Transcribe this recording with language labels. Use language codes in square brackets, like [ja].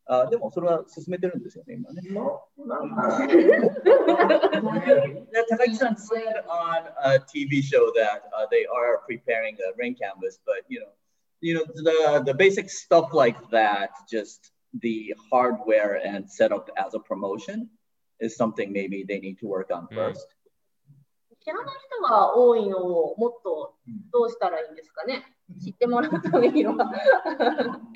[ja] でもそれは進めてるんですよね、今ね。 [en] 高木さん said on a TV show that they are preparing a ring canvas, but you know, the basic stuff like that, just the hardware and setup as a promotion is something maybe they need to work on first. [ja] 知らない人が多いのをもっとどうしたらいいんですかね、知ってもらうためには。